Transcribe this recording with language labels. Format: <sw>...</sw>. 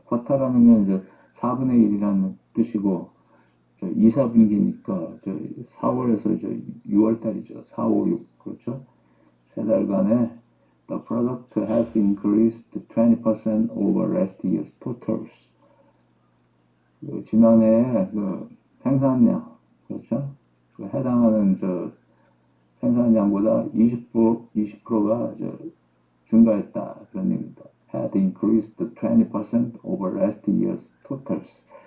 <ko>쿼터라는 건 이제 4분의 1이라는 뜻이고 저 2, 4분기니까 저 4월에서 저 6월달이죠. 4, 5, 6 그렇죠? 세 달간에</ko> <en>The product has increased 20% over last year's totals.</en> <ko>그 지난해 그 생산량 그렇죠? 그 해당하는 저 생산량보다 20%가 증가했다 그런 얘기입니다.</ko> <en>Had increased 20% over last year's totals.</en>